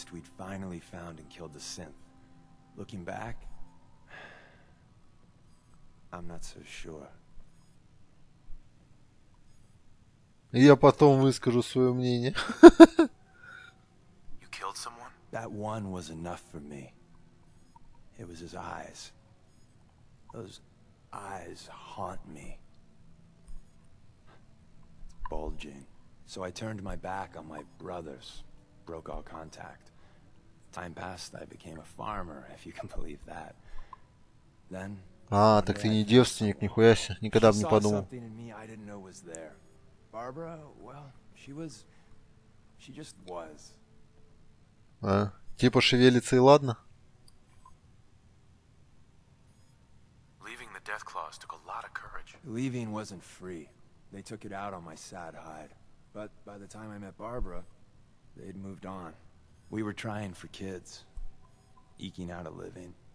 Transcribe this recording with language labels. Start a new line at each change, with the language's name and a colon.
English: We'd finally found and killed the synth. Looking back, I'm not so sure.
Russian: Я потом выскажу свое мнение.
English: You killed someone? That one was enough for me. It was his eyes. Those eyes haunt me. Bulging. So I turned my back on my brothers. Broke all contact. Time passed, I became a farmer, if you can believe that. Then...
Russian: А, так ты не девственник, нихуя себе. Никогда бы не подумал.
English: She saw something in me I didn't know was there. Barbara, well, she was... She just was.
Russian: А, типа шевелится и ладно?
English: Leaving the death claws took a lot of courage. Leaving wasn't free. They took it out on my sad hide. But by the time I met Barbara... They'd moved on. We were trying for kids, eking out a living.